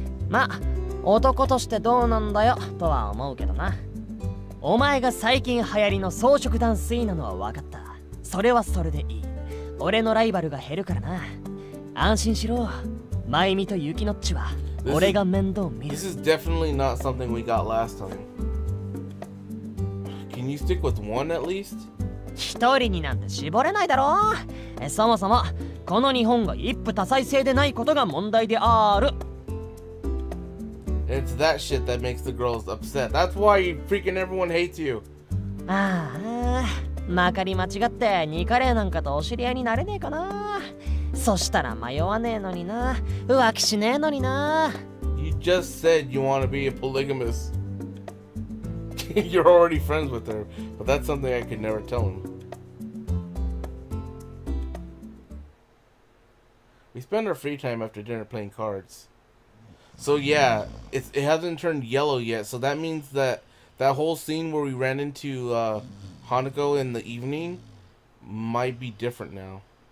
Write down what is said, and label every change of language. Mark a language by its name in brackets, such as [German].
[Japanese] まあ、男としてどうなんだよとは思うけどな。お前が最近流行りの草食男子なのは分かった。それはそれでいい。俺のライバルが減るからな。安心しろ。マイミとユキノッチは俺が面倒見る。 [English] This is definitely not something we got last time. Can you stick with one at least? [Japanese] 一人になんて絞れないだろう。そもそもこの日本が一夫多妻制でないことが問題である。 [English] It's that shit that makes the girls upset. That's why you freaking everyone hates you. [Japanese] ああ、まかり間違ってニカレーなんかとお知り合いになれねえかな。そしたら迷わねえのにな。浮気しねえのにな。 [English] You just said you want to be a polygamist. You're already friends with her, but that's something I could never tell him. We spend our free time after dinner playing cards. So yeah, it hasn't turned yellow yet, so that means that whole scene where we ran into Hanako in the evening might be different now.